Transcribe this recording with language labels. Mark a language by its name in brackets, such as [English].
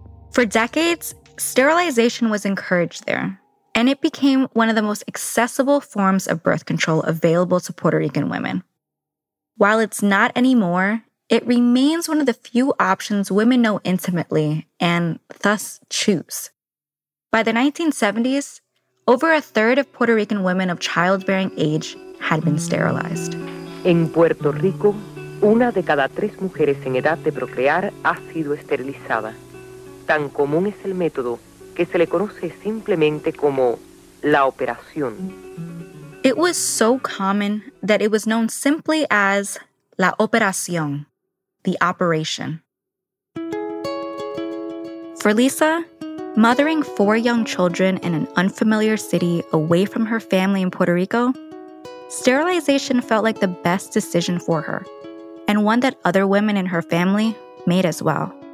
[English] For decades, sterilization was encouraged there, and it became one of the most accessible forms of birth control available to Puerto Rican women. While it's not anymore, it remains one of the few options women know intimately and thus choose. By the 1970s, over a third of Puerto Rican women of childbearing age had been sterilized. In Puerto Rico, [Spanish] una de cada tres mujeres en edad de procrear ha sido esterilizada. Tan común es el método que se le conoce simplemente como la operación. [English] It was so common that it was known simply as [Spanish] la operación, [English] the operation. For Lisa, mothering four young children in an unfamiliar city away from her family in Puerto Rico, sterilization felt like the best decision for her, and one that other women in her family made as well.